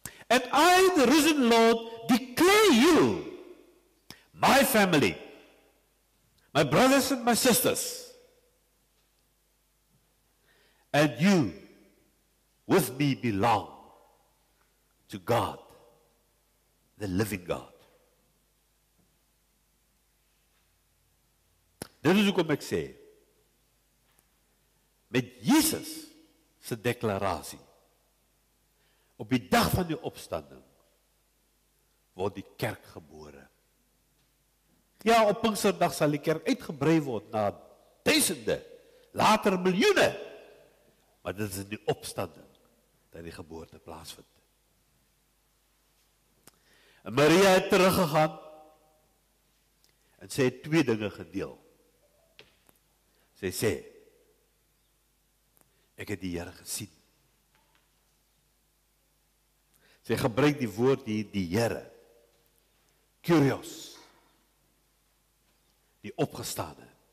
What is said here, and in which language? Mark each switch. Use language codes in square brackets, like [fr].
[en] And I, the risen Lord, declare you my family, my brothers and my sisters. And you, with me, belong to God, the living God. [af] Dit is hoekom ek sê, met Jesus sy deklarasie, op die dag van die opstanding, word die kerk gebore. Ja, op Pinksterdag sal die kerk uitgebrei word na duisende, later miljoene, maar dit is in die opstanding dat die geboorte plaasvind. En Maria het teruggegaan en sy het twee dinge gedeel. Sy sê, ek het die Here gesien. Sy gebruik die woord die Here, Kyrios, die opgestane.